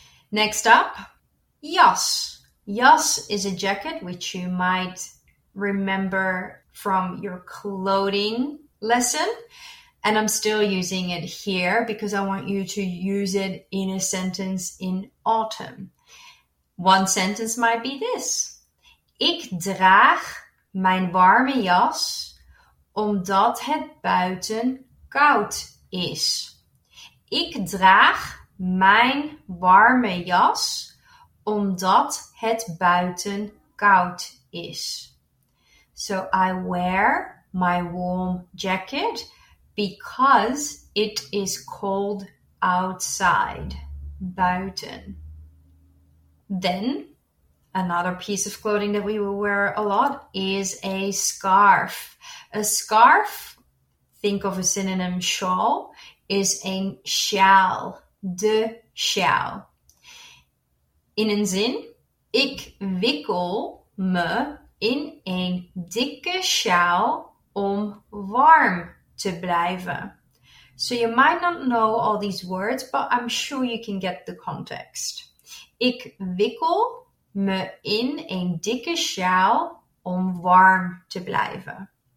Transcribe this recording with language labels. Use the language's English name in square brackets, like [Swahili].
[English] Next up, jas. Jas is a jacket which you might remember from your clothing lesson. And I'm still using it here because I want you to use it in a sentence in autumn. One sentence might be this. [Dutch] Ik draag mijn warme jas omdat het buiten koud is. Ik draag mijn warme jas omdat het buiten koud is. [English] So I wear my warm jacket because it is cold outside, buiten. Then, another piece of clothing that we will wear a lot is a scarf. A scarf, think of a synonym shawl, is a sjaal, de sjaal. [Dutch] In een zin, ik wikkel me in een dikke sjaal om warm te blijven. [English] So you might not know all these words, but I'm sure you can get the context. [Dutch] Ik wikkel me in een dikke sjaal om warm te blijven.